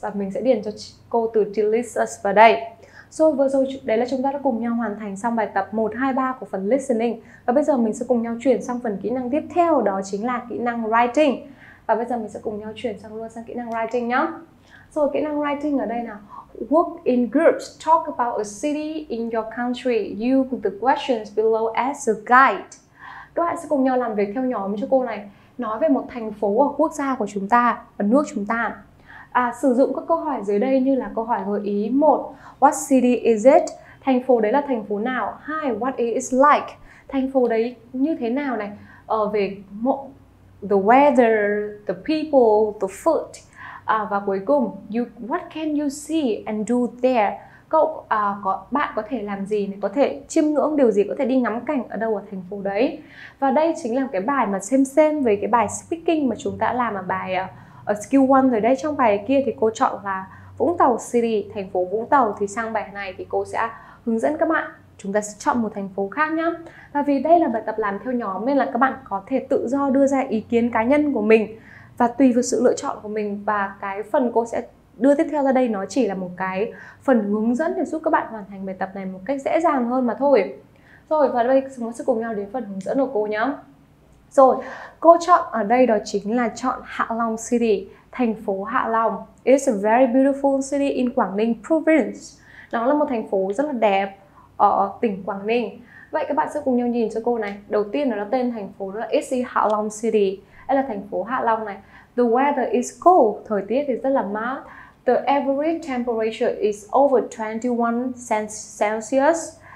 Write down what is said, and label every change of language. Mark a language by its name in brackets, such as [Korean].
[Vietnamese] Và mình sẽ điền cho cô từ delicious vào đây. Rồi vừa rồi, đấy là chúng ta đã cùng nhau hoàn thành xong bài tập 1, 2, 3 của phần listening. Và bây giờ mình sẽ cùng nhau chuyển sang phần kỹ năng tiếp theo, đó chính là kỹ năng writing. Và bây giờ mình sẽ cùng nhau chuyển sang luôn sang kỹ năng writing nhá. Rồi kỹ năng writing ở đây nào. [English] Work in groups, talk about a city in your country. Use the questions below as a guide. [Vietnamese] Các bạn sẽ cùng nhau làm việc theo nhóm cho cô này. Nói về một thành phố hoặc quốc gia của chúng ta, ở nước chúng ta. À, sử dụng các câu hỏi dưới đây như là câu hỏi gợi ý. 1. [English] What city is it? [Vietnamese] Thành phố đấy là thành phố nào? [English] 2. What it is like? [Vietnamese] Thành phố đấy như thế nào này? Ở về [English] the weather, the people, the food. [Vietnamese] À, và cuối cùng, [English] what can you see and do there? [Vietnamese] Bạn có thể làm gì này? Có thể chiêm ngưỡng điều gì? Có thể đi ngắm cảnh ở đâu ở thành phố đấy? Và đây chính là cái bài mà xem với cái bài speaking mà chúng ta làm ở bài ở skill 1 rồi đấy. Trong bài kia thì cô chọn là Vũng Tàu City, thành phố Vũng Tàu. Thì sang bài này thì cô sẽ hướng dẫn các bạn, chúng ta sẽ chọn một thành phố khác nhá. Và vì đây là bài tập làm theo nhóm nên là các bạn có thể tự do đưa ra ý kiến cá nhân của mình, và tùy vào sự lựa chọn của mình. Và cái phần cô sẽ đưa tiếp theo ra đây nó chỉ là một cái phần hướng dẫn để giúp các bạn hoàn thành bài tập này một cách dễ dàng hơn mà thôi. Rồi và đây chúng ta sẽ cùng nhau đến phần hướng dẫn của cô nhá. Rồi, cô chọn ở đây đó chính là chọn Hạ Long City, thành phố Hạ Long. [English] It's a very beautiful city in Quảng Ninh province. [Vietnamese] Nó là một thành phố rất là đẹp ở tỉnh Quảng Ninh. Vậy các bạn sẽ cùng nhau nhìn cho cô này. Đầu tiên là tên thành phố là [English] It's Hạ Long City. [Vietnamese] Đây là thành phố Hạ Long này. [English] The weather is cold, [Vietnamese] thời tiết thì rất là mát. [English] The average temperature is over 21 Celsius.